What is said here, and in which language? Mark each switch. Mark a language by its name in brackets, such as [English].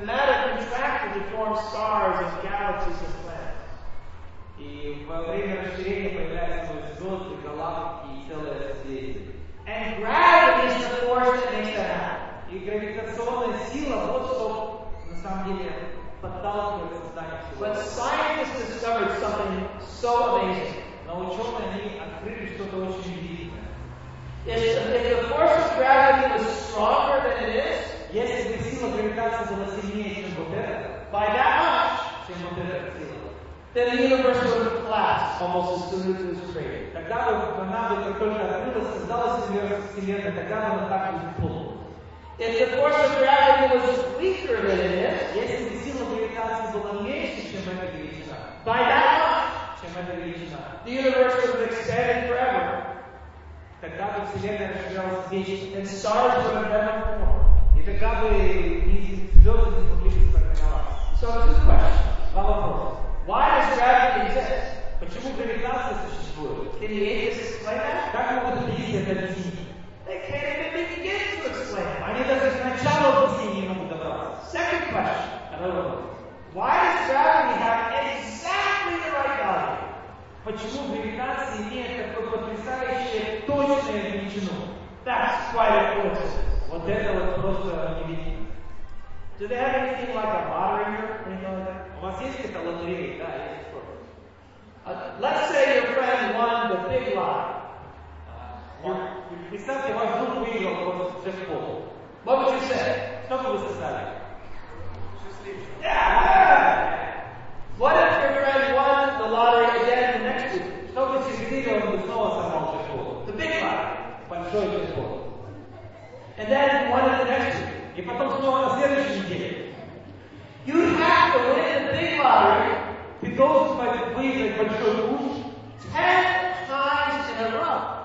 [English] matter contracted to form stars and galaxies and planets. [Russian] И во время расширения появляются звезды, галактики и целые звезды. [English] And gravity is the force that makes that happen. [Russian] И гравитационная сила вот что на самом деле подталкивает создание всего. [English] But scientists discovered something so amazing. [Russian] Но ученые они открыли что-то очень удивительное. [English] If the force of gravity was stronger than it is, [Russian] если бы сила гравитации была сильнее, чем вот это, [English] by that much, [Russian] чем вот эта сила. [English] Then the universe would have collapsed almost as soon as it was created. [Russian] Тогда бы она бы только что открылась, создалась из нее вселенная, тогда она так бы пулась. [English] If the force of gravity was weaker than it is, [Russian] если бы сила гравитации была меньше, чем эта величина, [English] by that much, [Russian] чем эта величина, [English] the universe would have expanded forever. [Russian] Тогда бы вселенная расширялась вечно, [English] and stars would have never formed. [Russian] И тогда бы звезды не могли бы сформироваться. [English] So two questions. [Russian] Два вопроса. [English] Why does gravity exist? [Russian] Почему гравитация существует? [English] Can the atheists explain that? [Russian] Как могут объяснить это объяснение? [English] They can't even begin to explain. [Russian] Они даже с начала объяснения не могут добраться. [English] Second question. Another one. Why does gravity have exactly the right value? [Russian] Почему гравитация имеет такое потрясающее точное величину? [English] That's quite important. [Russian] Вот это вот просто невидимо. [English] Do they have anything like a lottery or anything like that? [Russian] У вас есть какая-то лотерея? Да, есть, [English] of course. Let's say your friend won the big lot. [Russian] Представьте, ваш друг выиграл просто джекпот. What would you say? Что бы вы сказали? Счастливчик. [English] Yeah! What if your friend won the lottery again the next week? [Russian] Что бы счастливчик, он бы снова сорвал джекпот. [English] The big lot. [Russian] Большой джекпот. [English] And then won it the next week. [Russian] И потом снова на следующей неделе. [English] You have to win the big lottery. [Russian] Ты должен выиграть большой куш. [English] 10 times in a row.